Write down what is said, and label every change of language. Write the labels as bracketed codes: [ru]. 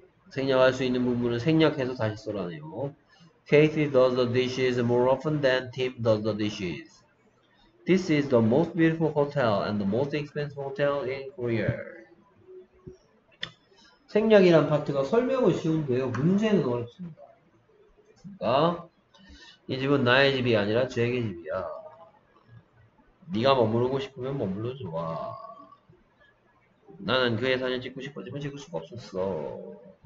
[ko] 생략할 수 있는 부분은 생략해서 다시 써라네요. [en] Kathy does the dishes more often than Tim does the dishes. This is the most beautiful hotel and the most expensive hotel in Korea. [ko] 생략이란 파트가 설명은 쉬운데요. 문제는 어렵습니다. 아, 이 집은 나의 집이 아니라 제게 집이야. 네가 머무르고 싶으면 머물러 좋아. 나는 그의 사진 찍고 싶었지만 찍을 수가 없었어.